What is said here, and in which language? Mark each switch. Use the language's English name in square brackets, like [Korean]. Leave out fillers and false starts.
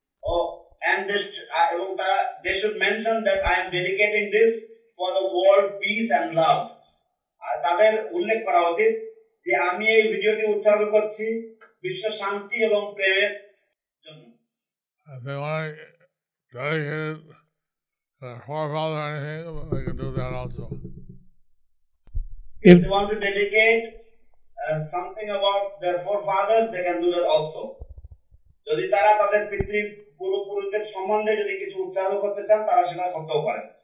[English] Oh, and this they should mention that I am dedicating this for the world peace and love. [Bangla] তাদের উল্লেখ করা উচিত যে আমি এই ভিডিওটি উৎসর্গ করছি বিশ্ব শান্তি এবং প্রেমের জন্য। [English] They want to dedicate it to their forefather or anything, they can do that also. If they want to dedicate something about their forefathers, they can do that also. [Bangla] যদি তারা তাদের পিতৃ পূর্বপুরুষদের সম্বন্ধে যদি কিছু উচ্চারণ করতে চান তারা সেটা করতেও পারে।